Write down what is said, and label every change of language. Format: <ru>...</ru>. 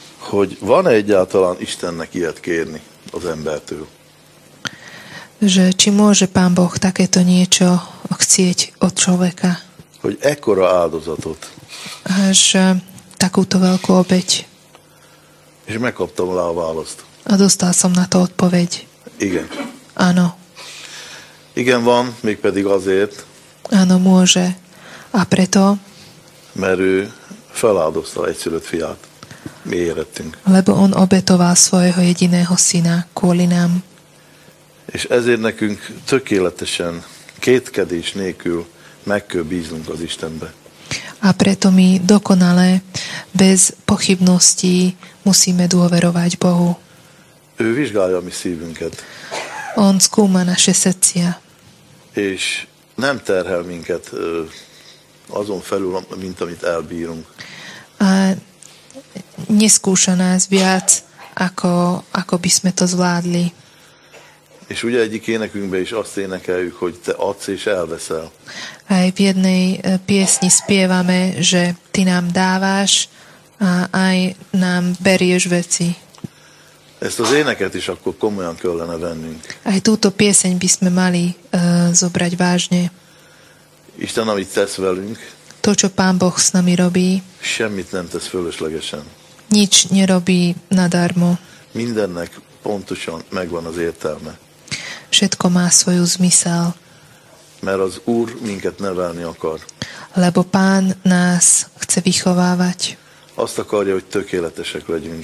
<hu>Hogy van-e egyáltalán Istennek ilyet kérni az embertől?</hu> <sk>Že či môže Pán Boh takéto niečo chcieť od človeka?</sk> <hu>Hogy ekkora áldozatot.</hu> <sk>Až takúto veľkú obeť.</sk> <hu>És megkaptam rá a választ.</hu> <sk>A dostal som na to odpoveď.</sk> <hu>Igen.</hu> <sk>Áno.</sk> <hu>Igen van, mégpedig azért.</hu> <sk>Áno, môže. A preto?</sk> <hu>Mert ő feláldozta egyszülött fiát. Mi érettünk.</hu> <sk>Lebo on obetoval svojho jediného syna kvôli nám.</sk> <hu>És ezért nekünk tökéletesen kétkedés nélkül meg kell bíznunk az Istenbe.</hu> <sk>A preto mi dokonale, bez pochybností musíme dôverovať Bohu.</sk> <hu>Ő vizsgálja mi szívünket.</hu> <sk>On skúma naše srdcia.</sk> <hu>És nem terhel minket azon felül, mint amit elbírunk.</hu> <sk>A neskúša nás viac, ako by sme to zvládli.</sk> <hu>És ugye egyik énekünkben is azt énekeljük, hogy te adsz és elveszel.</hu> <sk>Aj v jednej piesni spievame, že ty nám dáváš a aj nám berieš veci.</sk> <hu>Ezt az éneket is akkor komolyan kellene vennünk.</hu> <sk>Aj túto pieseň by sme mali zobrať vážne.</sk> <hu>Isten, amit tesz velünk,</hu> <sk>to, čo Pán Boh s nami robí,</sk> <hu>semmit nem tesz fölöslegesen.</hu> <sk>Nič nerobí nadarmo.</sk> <hu>Mindennek pontosan megvan az értelme.</hu> <sk>Všetko má svoju zmysel.</sk> <hu>Mert az Úr minket nevelni akar.</hu> <sk>Lebo Pán nás chce vychovávať.</sk> <hu>Azt akarja, hogy tökéletesek legyünk.</hu>